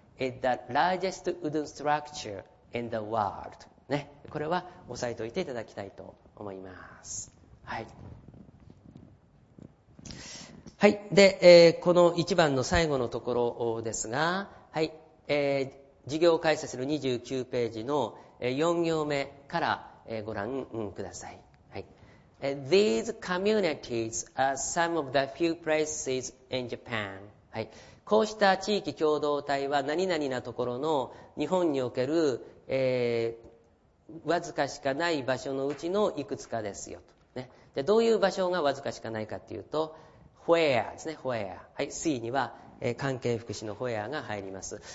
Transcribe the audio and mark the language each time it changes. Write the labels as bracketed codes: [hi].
[en] It's the largest wooden structure in the world. [ja] ね。これは押さえておいていただきたいと思います。はい。はい。で、この一番の最後のところですが、はい。事業解説の29ページの4行目からご覧ください。はい。 [en] These communities are some of the few places in Japan. [ja] はい。こうした地域共同体は何々なところの日本における、わずかしかない場所のうちのいくつかですよと。ね。で、どういう場所がわずかしかないかっていうと、where ですね、where。はい、C には、関係副詞の where が入ります。